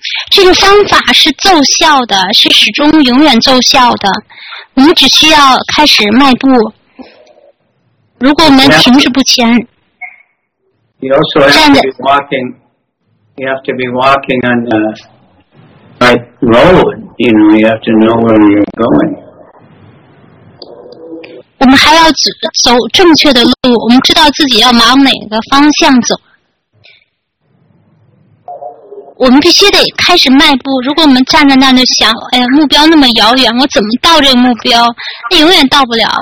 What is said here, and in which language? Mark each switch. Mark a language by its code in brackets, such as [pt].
[zh] 这个方法是奏效的，是始终永远奏效的。我们只需要开始迈步。如果我们停滞不前，站着。 [en] You have to be walking on the right road. You know, you have to know where you're going. [zh] 我们还要走正确的路，我们知道自己要往哪个方向走。我们必须得开始迈步。如果我们站在那儿就想，哎呀，目标那么遥远，我怎么到这个目标？那永远到不了。